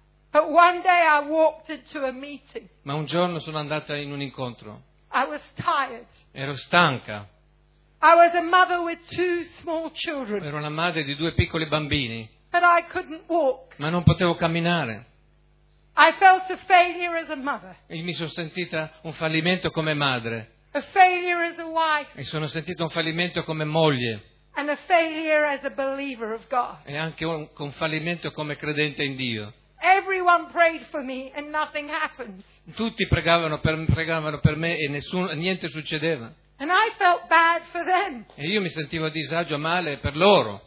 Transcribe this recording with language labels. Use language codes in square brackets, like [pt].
[en] But one day I walked into a meeting. [it] Ma un giorno sono andata in un incontro. [en] I was tired. [it] Ero stanca. [en] I was a mother with 2 small children. [it] Ero una madre di 2 piccoli bambini. [en] But I couldn't walk. [it] Ma non potevo camminare. [en] I felt a failure as a mother. [it] E mi sono sentita un fallimento come madre. [en] A failure as a wife. [it] E sono sentito un fallimento come moglie. [en] And a failure as a believer of God. [it] E anche un fallimento come credente in Dio. [en] Everyone prayed for me and nothing happened. [it] Tutti pregavano per me e niente succedeva. [en] And I felt bad for them. [it] E io mi sentivo a disagio, male per loro.